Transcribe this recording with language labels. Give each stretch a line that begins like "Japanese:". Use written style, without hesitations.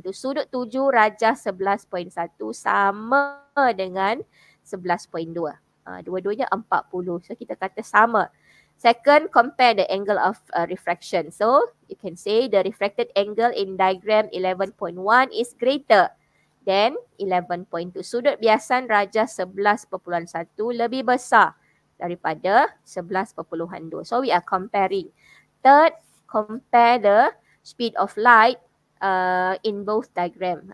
Malay: Sudut 7 rajah 11.1 sama dengan 11.2. Dua-duanya 40. So kita kata sama.
English: Second, compare the angle of refraction. So you can say the refracted angle in diagram 11.1 is greater than 11.2.
Malay: Sudut biasan rajah 11.1 lebih besar daripada 11.2.
English: So we are comparing. Third, compare the speed of light in both diagram.